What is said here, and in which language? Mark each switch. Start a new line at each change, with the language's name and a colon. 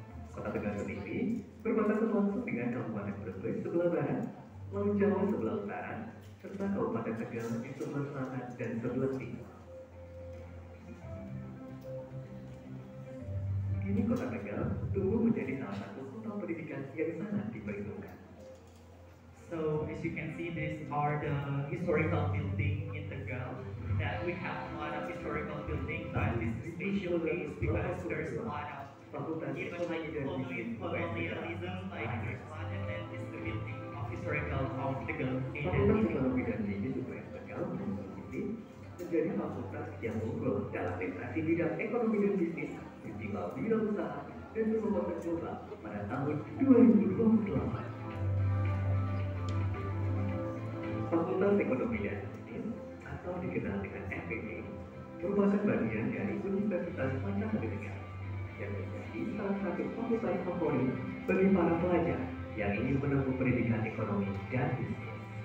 Indonesian: Kota Tegal sendiri berbatasan langsung dengan Kabupaten Brebes sebelah barat, Laut Jawa sebelah utara, serta Kabupaten Tegal di sebelah selatan dan sebelah timur. Kini Kota Tegal tumbuh menjadi salah satu kota pendidikan yang sangat diperhitungkan.
English: So as you can see, these are the historical building in Tegal. That we have a lot of historical building, but this is special case because there's a lot of even like colonialism, like there's a lot, and then this is the building of historical of Tegal in the city.
Indonesian: menjadi fakultas yang unggul dalam prestasi bidang ekonomi dan bisnis di bidang bidang usaha dan perubahan global pada tahun 2028. Fakultas Ekonomi dan Bisnis atau dikenal dengan FPB merupakan bagian dari Universitas Pancasila yang menjadi salah satu fakultas favorit bagi para pelajar yang ingin menempuh pendidikan ekonomi dan bisnis.